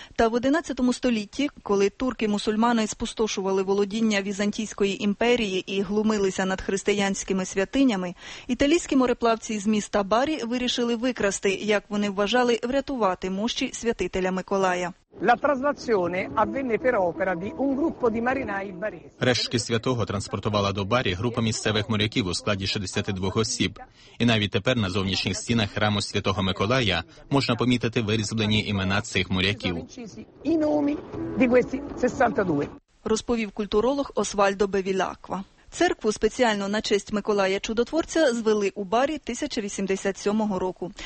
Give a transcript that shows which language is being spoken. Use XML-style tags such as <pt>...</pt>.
<uk>Та в 11 столітті, коли турки-мусульмани спустошували володіння Візантійської імперії і глумилися над християнськими святинями, італійські мореплавці з міста Барі вирішили викрасти, як вони вважали, врятувати мощі святителя Миколая.</uk> <it>La traslazione avvenne per opera di un gruppo di marinai baresi.</it> <uk>Рештки святого транспортувала до Барі група місцевих моряків у складі 62 осіб. І навіть тепер на зовнішніх стінах храму Святого Миколая можна помітити вирізблені імена цих моряків.</uk> <it>I nomi di questi 62.</it> <uk>Розповів культуролог Освальдо Бевілаква. Церкву спеціально на честь Миколая Чудотворця звели у Барі 1087 року.</uk>